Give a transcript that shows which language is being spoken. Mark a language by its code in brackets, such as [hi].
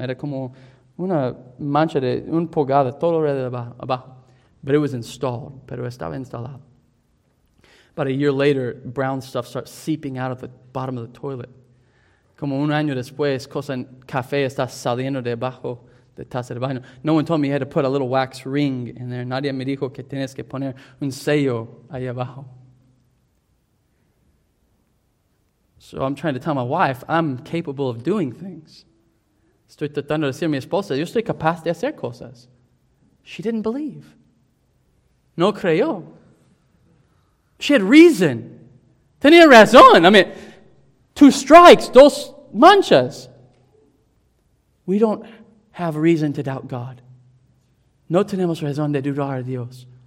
[es] Era como una mancha de un pulgada todo alrededor abajo. [en] But it was installed. [es] Pero estaba instalado. [en] About a year later, brown stuff starts seeping out of the bottom of the toilet. [es] Como un año después, cosa en café está saliendo de abajo de taza de baño. [en] No one told me you had to put a little wax ring in there. [es] Nadie me dijo que tienes que poner un sello ahí abajo. [en] So I'm trying to tell my wife, I'm capable of doing things. [es] Estoy tratando de decir a mi esposa, yo estoy capaz de hacer cosas. [en] She didn't believe. [es] No creyó. [en] She had reason. [es] Tenía razón. [en] I mean, two strikes, [es] dos manchas. [en] We don't have reason to doubt God. [es] No tenemos razón de dudar a Dios.